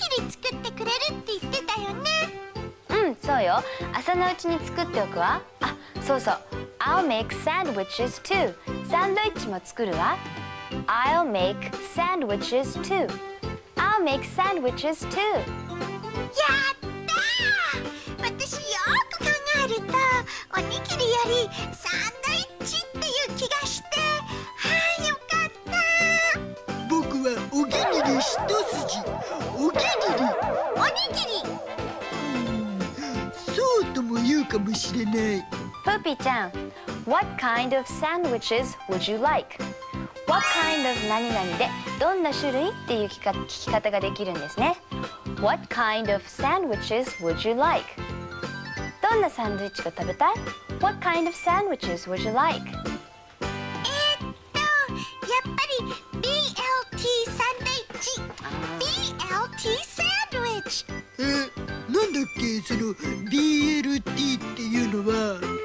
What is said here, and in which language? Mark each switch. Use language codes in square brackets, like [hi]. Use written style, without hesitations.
[ja] 作ってくれるって言ってたよね。うん、そうよ。朝のうちに作っておくわ。あ、そうそう。 [en] I'll make sandwiches too. [ja] サンドイッチも作るわ。 [en] I'll make sandwiches too. I'll make sandwiches too. [ja] やったー！私よく考えると、おにぎりよりサンドイッチっていう気がして、はぁ、よかったー。僕はおにぎり一筋。おにぎり。おにぎり。そうとも言うかもしれない。 [en] プーピーちゃん、What kind of sandwiches would you like? What kind of [ja] 何々でどんな種類っていう聞き方ができるんですね。 [en] What kind of sandwiches would you like? [ja] どんなサンドイッチが食べたい [en] ?What kind of sandwiches would you like? [ja] やっぱり BLT サンドイッチ。 BLT サンドイッチ。なんだっけ、その BLT っていうのは。